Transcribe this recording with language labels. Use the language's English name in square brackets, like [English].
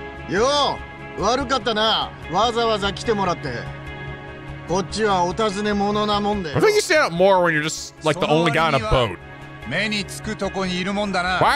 [Japanese] Yo,悪かったな。わざわざ来てもらって。こっちはお尋ね者なもんで。 [English] I think you stand out more when you're just like the only guy on a boat. [Japanese] 目につくとこにいるもんだな。 [English] Why